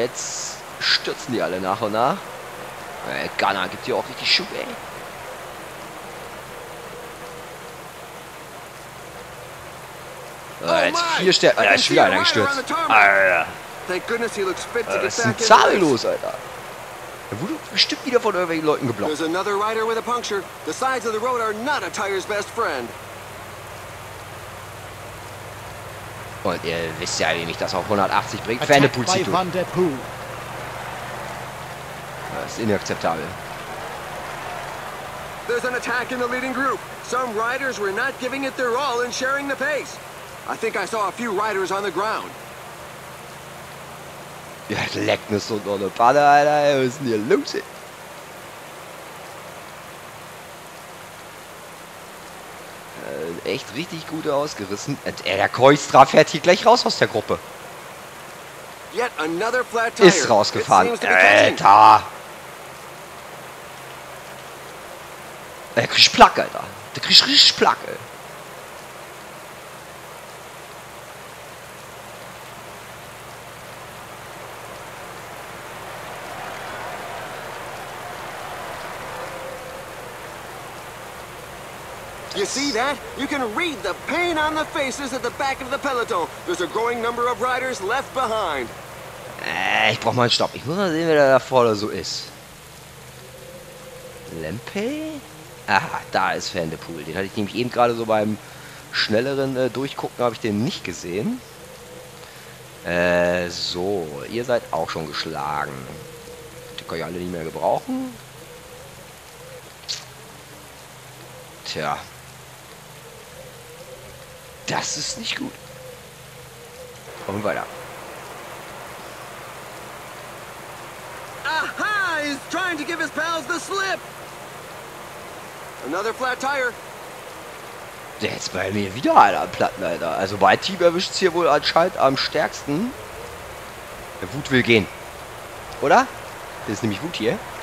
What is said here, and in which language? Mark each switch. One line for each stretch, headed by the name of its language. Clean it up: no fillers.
German: Jetzt stürzen die alle nach und nach. Gunner gibt hier auch richtig Schub, ey. Oh, jetzt vier Sterne. Alter, ist wieder einer gestürzt. Alter. Was ist denn zahllos, Alter? Er wurde bestimmt wieder von irgendwelchen Leuten geblockt.
English: There's another rider with a puncture. The sides of the road are not a tire's best friend.
German: Und ihr wisst ja, wie mich das auf 180 bringt. Vanderpool zieht durch. Das ist inakzeptabel.
English: There's an attack in the leading group. Some riders were not giving it their all and sharing the pace. I think I saw a few riders on the ground.
German: Ja, leck mir so eine Palle, Alter. Was ist denn hier los? Echt richtig gut ausgerissen. Der Koistra fährt hier gleich raus aus der Gruppe.
English: Yet another flat tire.
German: Ist rausgefahren. Alter! Der kriegt Plack, Alter. Der kriegt richtig Plack, ey.
English: You see that? You can read the pain on the faces at the back of the peloton. There's a growing number of riders left behind.
German: Ich brauch mal einen Stopp. Ich muss mal sehen, wer da vorne so ist. Lempe? Ah, da ist Vanderpool. Den hatte ich nämlich eben gerade so beim schnelleren Durchgucken, habe ich den nicht gesehen. So, ihr seid auch schon geschlagen. Die kann ich alle nicht mehr gebrauchen. Tja. Das ist nicht gut. Und weiter. Aha!
English: He's trying to give his pals the slip! Another flat tire.
German: Der ist bei mir wieder einer Platten, Alter. Also bei Team erwischt es hier wohl anscheinend am stärksten. Der Wut will gehen. Oder? Das ist nämlich Wut hier.